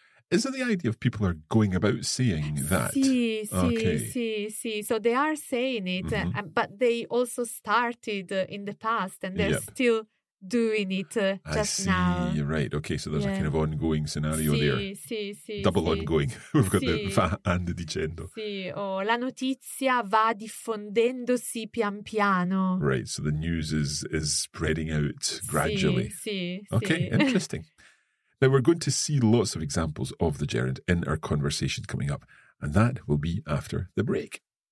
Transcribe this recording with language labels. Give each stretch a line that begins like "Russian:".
English: Is it the idea of people are going about saying that?
Italian: Sì.
English: So they are saying it, but they also started in the past and they're still doing it now. Right, okay. So there's a kind of ongoing scenario there. Sì, double ongoing. We've got the va and dicendo.
Italian: Sì, oh, la notizia va diffondendosi pian piano.
English: Right, so the news is spreading out gradually.
Italian: Sì.
English: Okay, interesting. Now, we're going to see lots of examples of the gerund in our conversation coming up, and that will be after the break.